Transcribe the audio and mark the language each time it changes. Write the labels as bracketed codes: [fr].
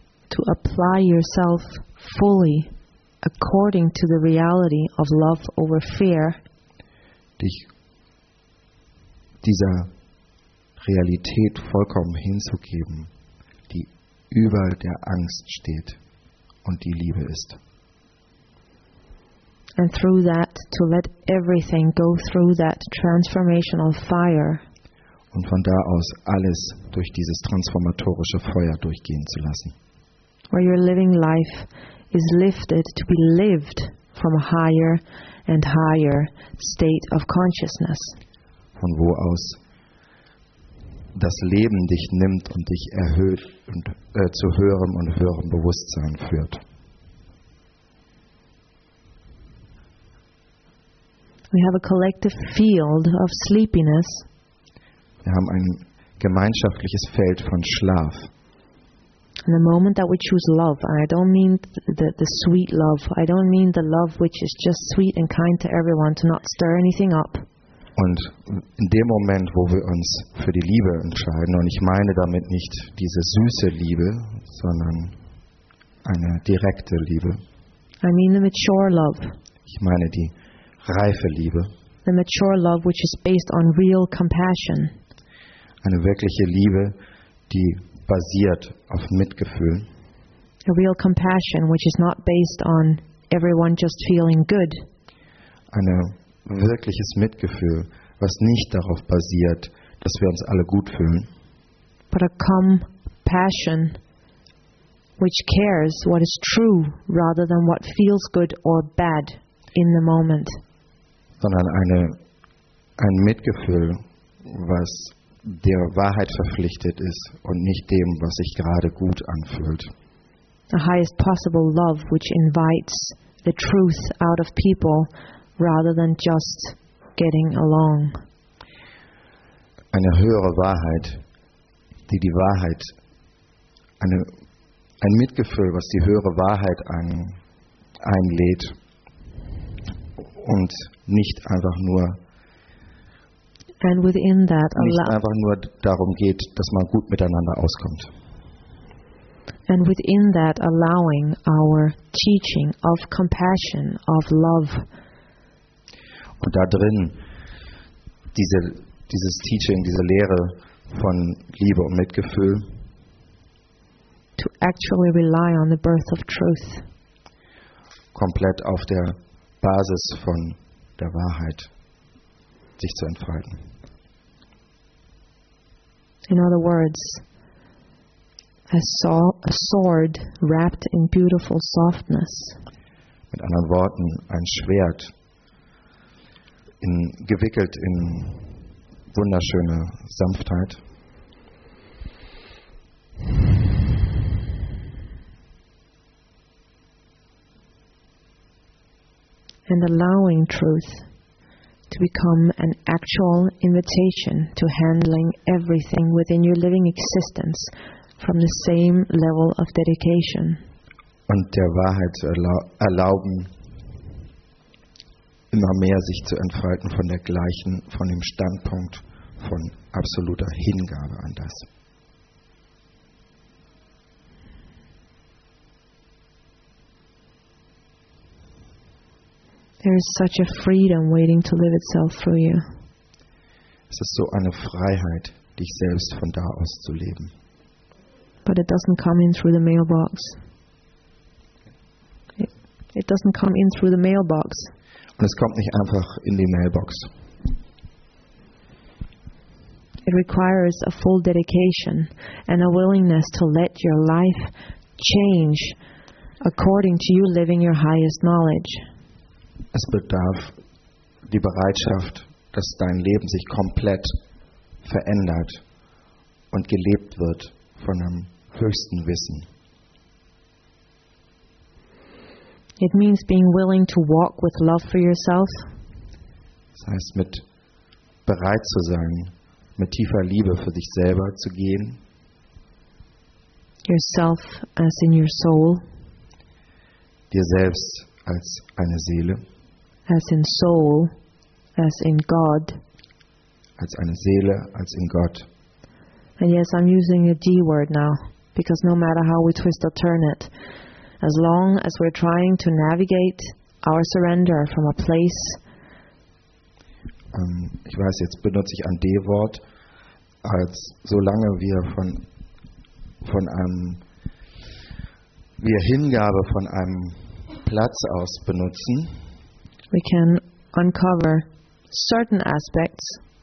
[en] To apply yourself fully according to the reality of love over fear. [de] Dich dieser Realität vollkommen hinzugeben, die über der Angst steht und die Liebe ist. [en] And through that to let everything go through that transformational fire. [de] Und von da aus alles durch dieses transformatorische Feuer durchgehen zu lassen. [en] Where your living life is lifted to be lived from a higher and higher state of consciousness. [de] Von wo aus das Leben dich nimmt und dich erhöht und zu höherem und höherem Bewusstsein führt. [en] We have a collective field of sleepiness. [de] Wir haben ein gemeinschaftliches Feld von Schlaf. [en] In the moment that we choose love, and I don't mean the sweet love, I don't mean the love which is just sweet and kind to everyone, to not stir anything up. [de] Und in dem Moment, wo wir uns für die Liebe entscheiden, und ich meine damit nicht diese süße Liebe, sondern eine direkte Liebe. [en] I mean the mature love. [de] Ich meine die reife Liebe. [en] The mature love which is based on real compassion. [de] Eine wirkliche Liebe, die basiert auf Mitgefühl. [en] A real compassion which is not based on everyone just feeling good. [de] Eine wirkliches Mitgefühl, was nicht darauf basiert, dass wir uns alle gut fühlen. [en] But a compassion which cares what is true rather than what feels good or bad in the moment. [de] Sondern ein Mitgefühl, was der Wahrheit verpflichtet ist und nicht dem, was sich gerade gut anfühlt. [en] The highest possible love which invites the truth out of people rather than just getting along. [de] Eine höhere Wahrheit, die die Wahrheit, ein Mitgefühl, was die höhere Wahrheit einlädt und nicht einfach nur [en] and within that [de] nicht einfach nur darum geht, dass man gut miteinander auskommt. [en] And within that allowing our teaching of compassion, of love. [de] Und da drin dieses Teaching, diese Lehre von Liebe und Mitgefühl. [en] To actually rely on the birth of truth. [de] Komplett auf der Basis von der Wahrheit sich zu entfalten. [en] In other words, a sword wrapped in beautiful softness. [de] Mit anderen Worten, ein Schwert gewickelt in wunderschöne Sanftheit. [en] And allowing truth to become an actual invitation to handling everything within your living existence from the same level of dedication. [de] Und der Wahrheit erlauben, immer mehr sich zu entfalten von der gleichen, von dem Standpunkt von absoluter Hingabe an das. [en] There is such a freedom waiting to live itself through you. [de] Es ist so eine Freiheit, dich selbst von da aus zu leben. [en] But it doesn't come in through the mailbox. It doesn't come in through the mailbox. [de] Und es kommt nicht einfach in die Mailbox. [en] It requires a full dedication and a willingness to let your life change according to you living your highest knowledge. [de] Es bedarf die Bereitschaft, dass dein Leben sich komplett verändert und gelebt wird von einem höchsten Wissen. [en] It means being willing to walk with love for yourself. [de] Das heißt, mit bereit zu sein, mit tiefer Liebe für dich selber zu gehen. [en] Yourself as in your soul. [de] Dir selbst als eine Seele. [en] As in soul, as in God. [de] Als eine Seele, als in Gott. [en] And yes, I'm using a D word now, because no matter how we twist or turn it, as long as we're trying to navigate our surrender from a place. [de] Ich weiß, jetzt benutze ich ein D-Wort, als solange wir Hingabe von einem Platz aus benutzen. [en] We can uncover certain aspects